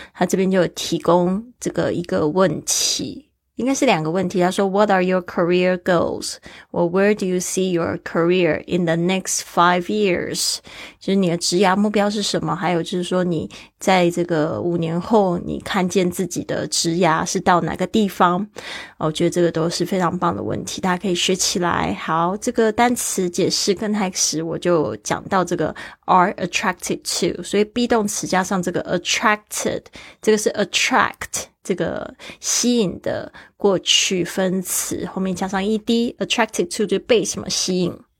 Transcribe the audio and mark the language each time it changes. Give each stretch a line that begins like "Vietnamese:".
Chinese: 他这边就提供这个一个问题。应该是两个问题，他说
English: What are your career goals? Or where do you see your career in the next 5 years?
Chinese: 就是你的职涯目标是什么，还有就是说你在这个五年后你看见自己的职涯是到哪个地方。我觉得这个都是非常棒的问题，大家可以学起来。好，这个单词解释跟 hex 我就讲到这个
English: are attracted to，
Chinese: 所以 be 动词加上这个 attracted， 这个是 attract这个吸引的过去分词，后面加上 ed， attracted to 就被什么吸引。